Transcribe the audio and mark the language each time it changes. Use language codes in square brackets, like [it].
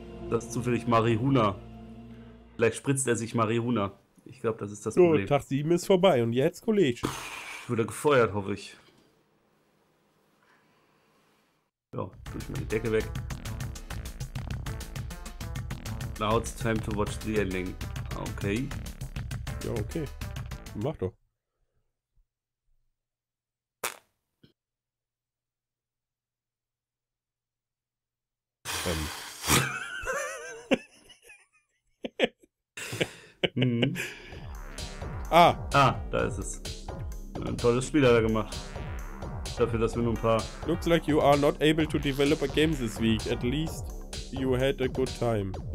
[de] Das ist zufällig Marihuana. Vielleicht spritzt er sich Marihuana. Ich glaube, das ist das Problem. So, Tag 7 ist vorbei und jetzt, Kollege. Ich wurde gefeuert, hoffe ich. Ja, tue ich mal die Decke weg. [en] Now it's time to watch the ending. [de] Okay. Ja, okay. Mach doch. Ah, da ist es. Ein tolles Spiel hat er gemacht. Dafür, dass wir nur ein paar... [en] Looks like you are not able to develop a game this week. At least you had a good time.